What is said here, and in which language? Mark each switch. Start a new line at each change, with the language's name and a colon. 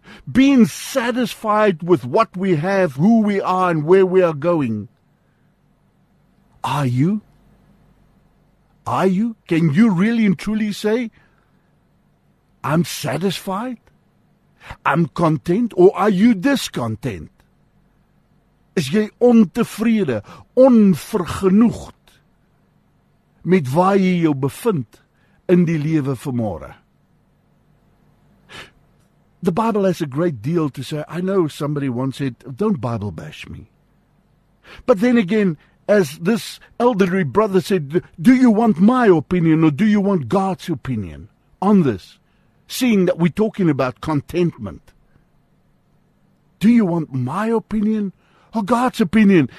English: Being satisfied with what we have, who we are, and where we are going. Are you? Are you? Can you really and truly say, I'm satisfied? I'm content? Or are you discontent?
Afrikaans: Is jy ontevrede, onvergenoegd met waar jy jou bevind in die lewe vanmôre?
English: The Bible has a great deal to say. I know somebody once said, don't Bible bash me. But then again, as this elderly brother said, do you want my opinion or do you want God's opinion on this? Seeing that we're talking about contentment. Do you want my opinion or God's opinion?